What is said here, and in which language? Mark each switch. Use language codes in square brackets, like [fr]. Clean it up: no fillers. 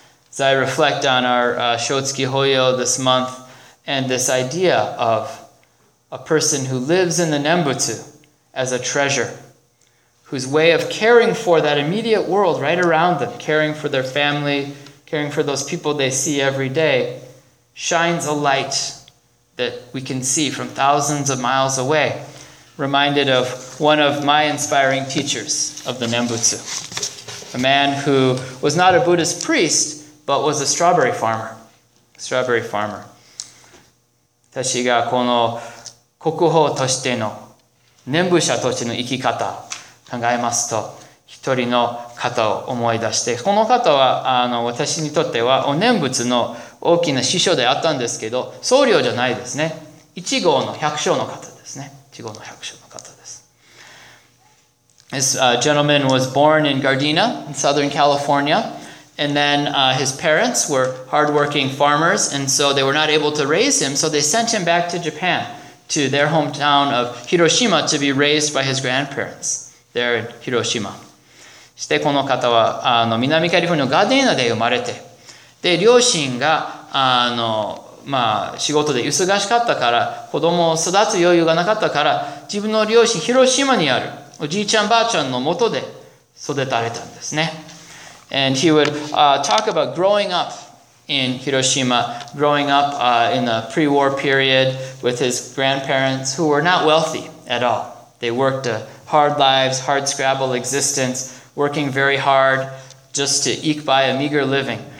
[en] As I reflect on our Shotsuki Hoyo this month and this idea of a person who lives in the Nembutsu as a treasure,whose way of caring for that immediate world right around them, caring for their family, caring for those people they see every day, shines a light that we can see from thousands of miles away. Reminded of one of my inspiring teachers of the Nembutsu, a man who was not a Buddhist priest, but was a strawberry farmer. Strawberry farmer. [ja] 私がこの国宝としての念仏者としての生き方考えますと、一人の方を思い出して、この方は、私にとっては、お念仏の大きな師匠であったんですけど、僧侶じゃないですね。一号の百姓の方ですね。一号の百姓の方です。 [en] This gentleman was born in Gardena, in Southern California, And then his parents were hardworking farmers, and so they were not able to raise him, so they sent him back to Japan, to their hometown of Hiroshima, to be raised by his grandparents there in Hiroshima. [ja] そしてこの方は南カリフォルニアのガデーナで生まれて、で両親が仕事で忙しかったから、子供を育つ余裕がなかったから、自分の両親広島にあるおじいちゃんばあちゃんの元で育てられたんですね。 [en] And he would talk about growing up in Hiroshima, growing up in the pre-war period with his grandparents who were not wealthy at all. They worked a hard lives, hard scrabble existence, working very hard just to eke by a meager living.